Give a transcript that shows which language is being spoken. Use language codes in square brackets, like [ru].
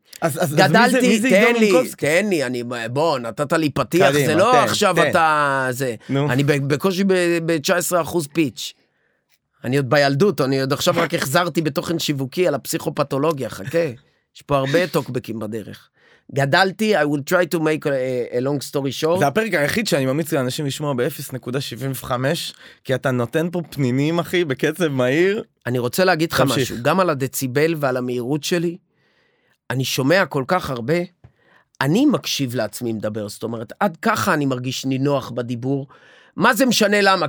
[he] אז גדלתי, מי זה עידו מינקובסקי? תן לי, אני, בוא, נתת לי פתיח, קדימה, זה לא תן, עכשיו תן. אתה... זה, אני בקושי ב-19% פיץ'. אני עוד בילדות, אני עוד עכשיו רק החזרתי בתוכן שיווקי על הפסיכופתולוגיה, חכה. יש פה הרבה טוקבקים בדרך. גדלתי, [en] I will try to make a long story short. [he] זה הפרק היחיד שאני ממליץ לאנשים לשמוע ב-0.75, כי אתה נותן פה פנינים, אחי, בקצב מהיר. אני רוצה להגיד לך משהו, גם על הדציבל ועל המהירות שלי, אני שומע כל כך הרבה, אני מקשיב לעצמי מדבר, זאת אומרת, עד ככה אני מרגיש נינוח בדיבור. מה זה משנה למה?